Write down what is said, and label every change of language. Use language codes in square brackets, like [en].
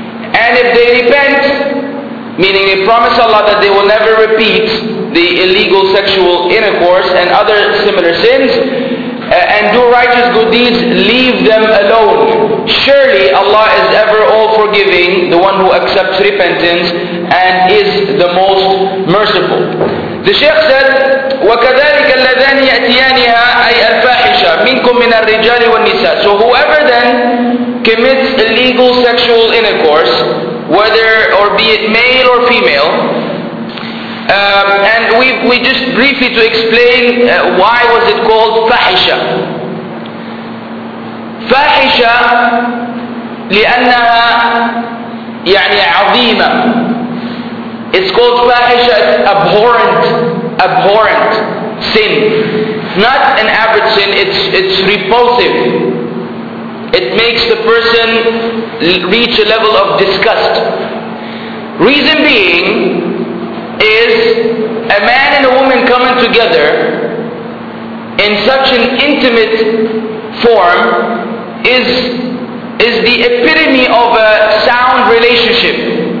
[en] And if they repent, meaning they promise Allah that they will never repeat the illegal sexual intercourse and other similar sins, and do righteous good deeds, leave them alone. Surely Allah is ever all forgiving, the one who accepts repentance, and is the most merciful. The Shaykh said, [ar] وَكَذَلِكَ الَّذَانِ يَأْتِيَانِهَا أَيْ الْفَاحِشَ مِنْكُمْ مِنَ الرِّجَالِ وَالنِّسَاءِ. [en] So whoever then commits illegal sexual intercourse, whether or be it male or female, and we just briefly to explain why was it called fahisha. [ar] Fahisha لأنها يعني عظيمة. [en] It's called fahisha, abhorrent sin. Not an average sin, it's repulsive. It makes the person reach a level of disgust. Reason being is a man and a woman coming together in such an intimate form is the epitome of a sound relationship.